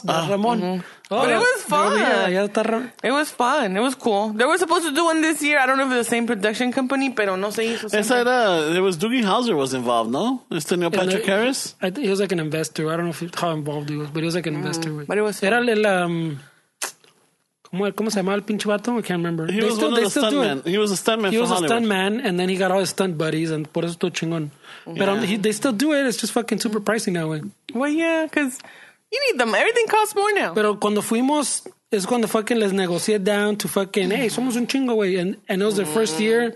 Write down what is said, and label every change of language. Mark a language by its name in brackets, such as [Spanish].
[English] That's Ramon. Mm-hmm. Oh, but it was fun. It was fun. It was cool. They were supposed to do one this year. I don't know if it's the same production company, [Spanish] pero no se hizo. Es era, [English] there was Doogie Howser was involved, no? It's the Neil Patrick Harris. He was like an investor. I don't know how involved he was, but he was like an investor. But it was fun. [Spanish] Era el ¿cómo se llamaba el pinche vato? [English] I can't remember. He was a stuntman, and then he got all his stunt buddies, and [Spanish] por eso todo chingón. [English] But they still do it. It's just fucking super pricey now. Well, yeah, because you need them. Everything costs more now. [Spanish] Pero cuando fuimos, es cuando fucking les negocié [English] down to fucking, [Spanish] hey, somos un chingo, güey. [English] And it was their first year.